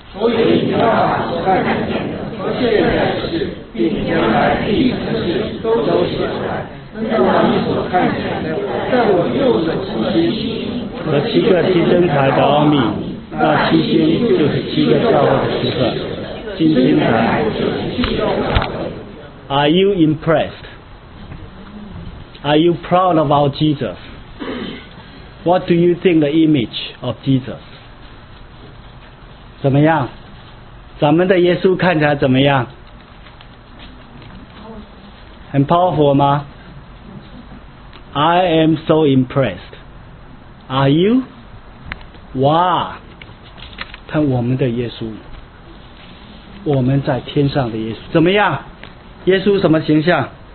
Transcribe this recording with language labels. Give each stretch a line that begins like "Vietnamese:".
Chinese: 所以你要把所看见的。” 现在是并将来必成事都写出来，那么你所看见的，在我右的七星和七个金灯台的奥秘，那七星就是七个教会的十个金灯台。
English: Are you impressed? Are you proud of our Jesus? What do you think the image of Jesus?
Chinese: 怎么样咱们的耶稣看起来怎么样？很 powerful 吗？
English: I am so impressed. Are you?
Chinese: 哇，看我们的耶稣，我们在天上的耶稣怎么样？耶稣什么形象？